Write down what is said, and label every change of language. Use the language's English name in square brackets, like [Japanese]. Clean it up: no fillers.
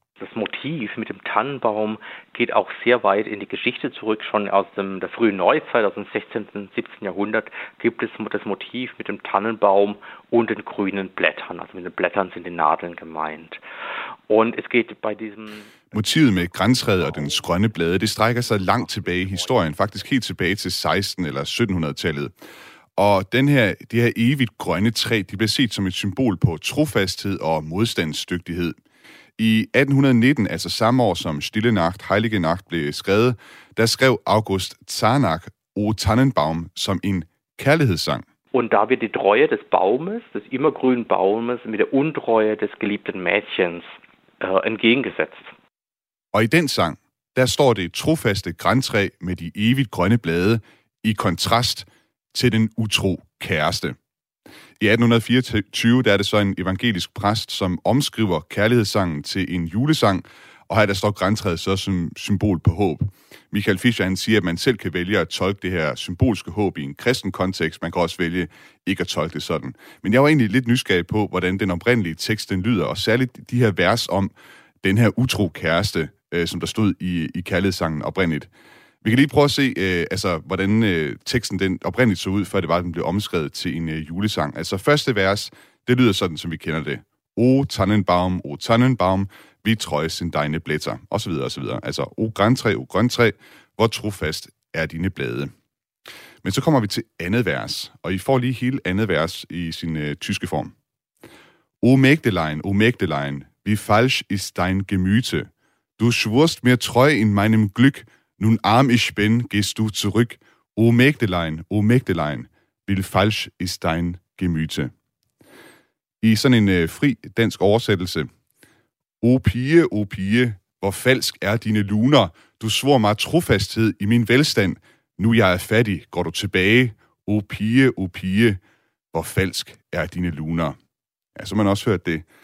[German] Das Motiv mit dem Tannenbaum geht auch sehr weit in die Geschichte zurück. Schon aus der frühen Neuzeit, aus dem 16. und 17. Jahrhundert, gibt es das Motiv mit dem Tannenbaum und den grünen Blättern. Also mit den Blättern sind die Nadeln gemeint. Und es geht bei diesem [Danish] Motivet med grantræet og dens grønne blade, det strækker sig langt tilbage i historien, faktisk helt tilbage til 16. eller 1700-tallet. Og det her evigt grønne træ, det bliver set som et symbol på trofasthed og modstandsdygtighed. I 1819, altså samme år som Stille Nacht, Heilige Nacht blev skrevet, der skrev August Czarnak O Tannenbaum som en kærlighedssang. [German] Und da wird die Treue des Baumes, des immergrünen Baumes, mit der Untreue des geliebten Mädchens entgegengesetzt. [Danish] Og i den sang, der står det trofaste grantræ med de evigt grønne blade i kontrast til den utro kæreste. I 1824, der er det så en evangelisk præst, som omskriver kærlighedssangen til en julesang, og her der står grantræet så som symbol på håb. Michael Fischer, han siger, at man selv kan vælge at tolke det her symbolske håb i en kristen kontekst. Man kan også vælge ikke at tolke det sådan. Men jeg var egentlig lidt nysgerrig på, hvordan den oprindelige tekst den lyder, og særligt de her vers om den her utro kæreste, som der stod i kærlighedssangen oprindeligt. Vi kan lige prøve at se, hvordan teksten den oprindeligt så ud, før det var, den blev omskrevet til en julesang. Altså første vers, det lyder sådan, som vi kender det. O Tannenbaum, O Tannenbaum, vi trøje sin dine blætter, osv. osv. Altså, O grøntræ, O grøntræ, hvor trofast er dine blade. Men så kommer vi til andet vers, og I får lige hele andet vers i sin tyske form. [German] O Mägdelein, O Mägdelein, wie falsch ist dein Gemüte. Du schwurst mir treu in meinem Glück, nun arm ich bin, gehst du zurück. O Mägdelein, O Mägdelein, wie falsch ist dein Gemüte. [Danish] I sådan en fri dansk oversættelse. O pige, o pige, hvor falsk er dine luner. Du svor mig trofasthed i min velstand. Nu jeg er fattig, går du tilbage. O pige, o pige, hvor falsk er dine luner. Ja, så man også hørt det.